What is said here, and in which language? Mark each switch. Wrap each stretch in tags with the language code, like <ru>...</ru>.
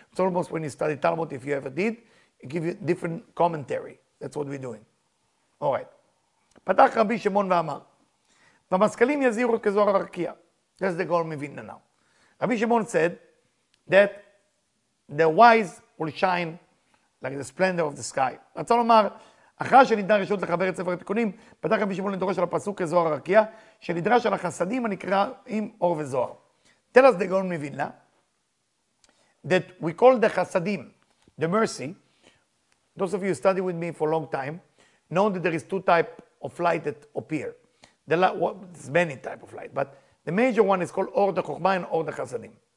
<en>It's almost when you study Talmud, if you ever did, it gives you different commentary. That's what we're doing. All right.</en> <he>Patach Rabbi Shimon v'amar. V'maskalim yaziru kezor harakia.</he> <en>That's the Gaon Mevilna now. Rabbi Shimon said that the wise will shine like the splendor of the sky.</en> <he>רצה לומר, אחרי שניתנה רשות לחבר את ספר התיקונים, פתח רבי שמעון לדורש על הפסוק כזוהר הרקיע, שנדרש על החסדים הנקרא עם אור וזוהר.</he> <en>Tell us the Gaon Mevilna, that we call the חסדים, the mercy. Those of you who study with me for a long time, know that there is two types of light that appear. There's many types of light, but the major one is called אור דה חוכמה and אור דה חסדים.</en>